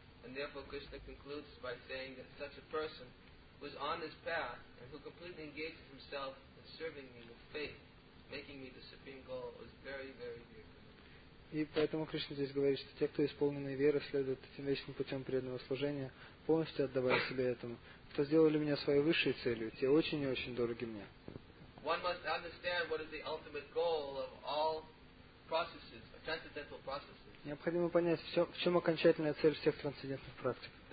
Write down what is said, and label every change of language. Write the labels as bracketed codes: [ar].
[en] And therefore, Krishna concludes by saying that such a person who is on this path and who completely engages himself in serving me with faith, making me the supreme goal, is very, very dear to me. [ru] И поэтому Кришна здесь говорит, что те, кто исполнены веры, следуют этим вечным путем преданного служения, полностью отдавая себя этому, кто сделали меня своей высшей целью, те очень и очень дороги мне. [en] One must understand what is the ultimate goal of all processes, transcendental processes. [ru] Необходимо понять, в чем окончательная цель всех трансцендентных практик.